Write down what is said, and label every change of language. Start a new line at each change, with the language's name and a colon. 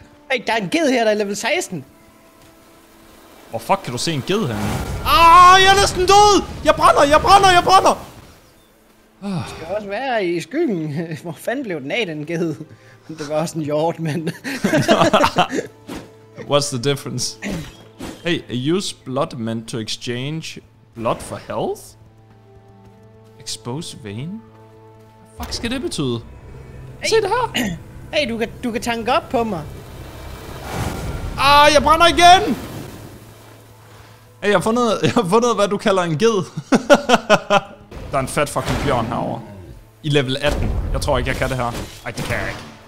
Danish: Ej, der er en ged her, der er level 16. Hvor fuck kan du se en ged her? Ah, jeg er næsten død! Jeg brænder! Det skal også være i skyggen. Hvor fanden blev den af, den ged? Det var også en hjort, men...
English: What's the difference? Hey, I use blood meant to exchange blood for health? Expose vein?
Danish: Hvad fuck skal det betyde? Hey. Se det her! Hey, du kan tanke op på mig! Ah, jeg brænder igen! Hey, jeg har fundet, hvad du kalder en ged. Der er en fat fucking bjørn herovre. I level 18. Jeg tror ikke, jeg kan det her. Ej, det kan jeg ikke.